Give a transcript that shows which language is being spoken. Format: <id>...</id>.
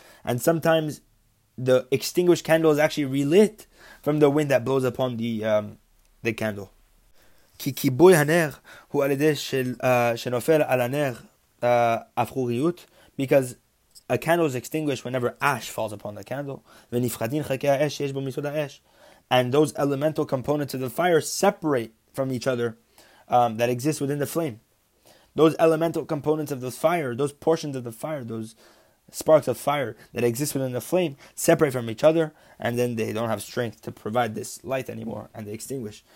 <en>And sometimes the extinguished candle is actually relit from the wind that blows upon the candle.</en> <he>כי כיבוי הנר הוא על ידי שנופל על הנר אפרוריות,</he> <en>because a candle is extinguished whenever ash falls upon the candle,</en> <he>ונפחדין חלקי האש שיש בו מסוד האש.</he> <en>And those elemental components of the fire separate from each other that exist within the flame. Those elemental components of the fire, those portions of the fire, those sparks of fire that exist within the flame separate from each other, and then they don't have strength to provide this light anymore, and they extinguish.</en>